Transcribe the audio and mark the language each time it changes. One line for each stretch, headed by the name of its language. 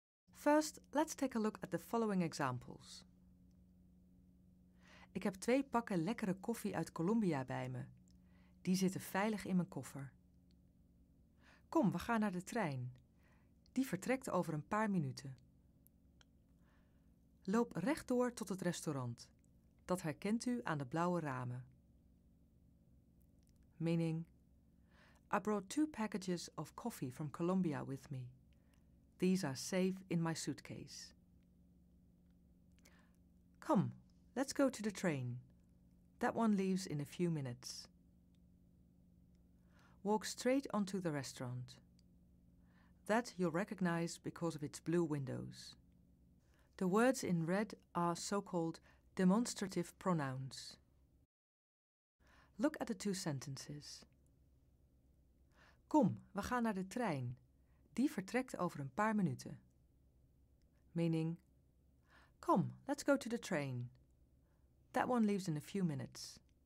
English: First, let's take a look at the following examples.
Dutch: Ik heb 2 pakken lekkere koffie uit Colombia bij me. Die zitten veilig in mijn koffer. Kom, we gaan naar de trein. Die vertrekt over een paar minuten. Loop rechtdoor tot het restaurant. Dat herkent u aan de blauwe ramen.
English: Meaning, I brought 2 packages of coffee from Colombia with me. These are safe in my suitcase. Come, let's go to the train. That one leaves in a few minutes. Walk straight onto the restaurant. That you'll recognize because of its blue windows. The words in red are so-called demonstrative pronouns. Look at the 2 sentences.
Dutch: Kom, we gaan naar de trein. Die vertrekt over een paar minuten.
English: Meaning, come, let's go to the train. That one leaves in a few minutes.